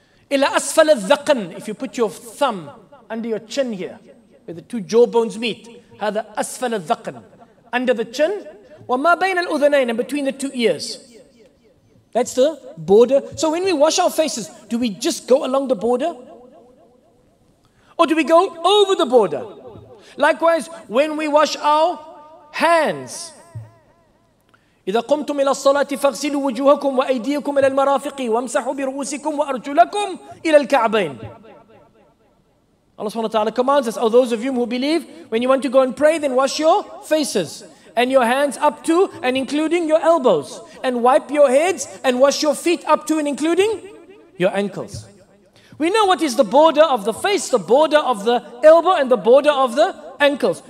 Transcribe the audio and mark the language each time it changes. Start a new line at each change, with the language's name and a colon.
Arabic: Ila asfal al-dhaqn.
English: If you put your thumb under your chin here, where the two jawbones meet,
Arabic: هذا أسفل الذقن,
English: under the chin,
Arabic: وما بين الأذنين,
English: and between the two ears. That's the border. So when we wash our faces, do we just go along the border? Or do we go over the border? Likewise, when we wash our hands,
Arabic: إذا قمتم إلى الصلاة فاغسلوا وجوهكم وأيديكم إلى المرافق وامسحوا برؤوسكم وأرجلكم إلى الكعبين.
English: Allah subhanahu wa ta'ala commands us, oh, those of you who believe, when you want to go and pray, then wash your faces and your hands up to and including your elbows, and wipe your heads and wash your feet up to and including your ankles. We know what is the border of the face, the border of the elbow, and the border of the ankles.